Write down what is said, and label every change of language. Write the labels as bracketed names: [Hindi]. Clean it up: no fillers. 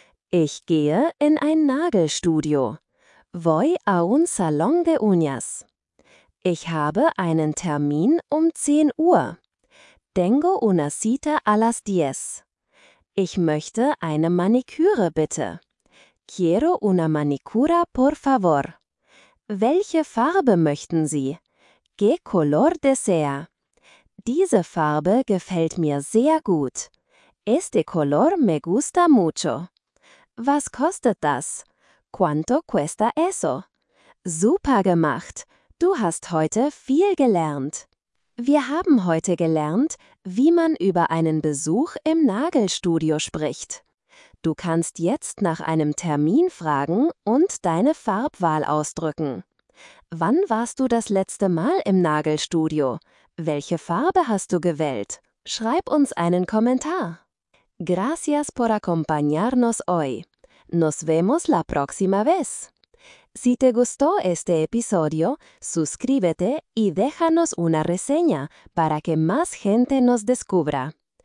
[German] Ich gehe in ein Nagelstudio. [Spanish] Voy a un salón de uñas. [German] Ich habe einen Termin um 10 Uhr. [Spanish] Tengo una cita a las 10. [German] Ich möchte eine Maniküre, bitte. [Spanish] Quiero una manicura, por favor. [German] Welche Farbe möchten Sie? [Spanish] ¿Qué color desea? [German] Diese Farbe gefällt mir sehr gut. [Spanish] Este color me gusta mucho. [German] Was kostet das? [Spanish] ¿Cuánto cuesta eso? [German] Super gemacht! Du hast heute viel gelernt. Wir haben heute gelernt, wie man über einen Besuch im Nagelstudio spricht. Du kannst jetzt nach einem Termin fragen und deine Farbwahl ausdrücken. Wann warst du das letzte Mal im Nagelstudio? Welche Farbe hast du gewählt? Schreib uns einen Kommentar. [Spanish] Gracias por acompañarnos hoy. Nos vemos la próxima vez. Si te gustó este episodio, suscríbete y déjanos una reseña para que más gente nos descubra.